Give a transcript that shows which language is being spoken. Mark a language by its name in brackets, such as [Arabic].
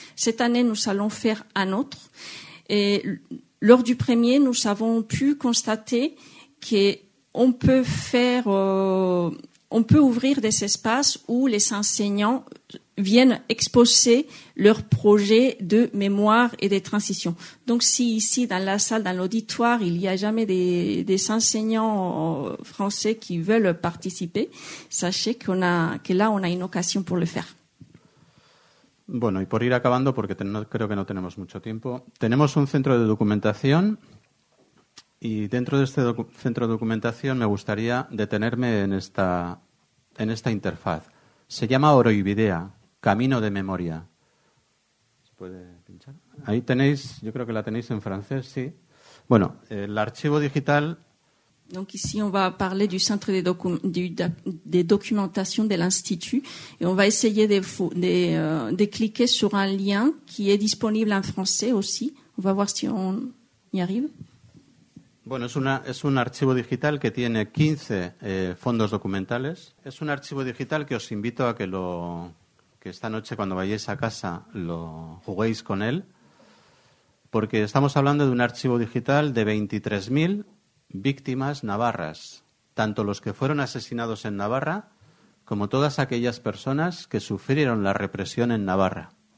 [French] Cette année, nous allons faire un autre. Et lors du premier, nous avons pu constater qu'on peut faire, on peut ouvrir des espaces où les enseignants viennent exposer leurs projets de mémoire et de transition. Donc si ici, dans la salle, dans l'auditoire, il n'y a jamais des enseignants français qui veulent participer, sachez que là, on a une occasion pour le faire. [Spanish] Bueno, y por ir acabando, porque creo que no tenemos mucho tiempo, tenemos un centro de documentación, y dentro de este centro de documentación me gustaría detenerme en esta interfaz. Se llama Oroibidea. Camino de memoria. ¿Se puede pinchar? Ahí tenéis, yo creo que la tenéis en francés, sí. Bueno, el archivo digital. [French] Donc ici on va parler du centre de documentation de l'institut et on va essayer de cliquer sur un lien qui est disponible en français aussi. On va voir si on y arrive. [Spanish] Bueno, es un archivo digital que tiene 15 fondos documentales. Es un archivo digital que os invito a que esta noche cuando vayáis a casa lo juguéis con él, porque estamos hablando de un archivo digital de 23.000 víctimas navarras, tanto los que fueron asesinados en Navarra como todas aquellas personas que sufrieron la represión en Navarra.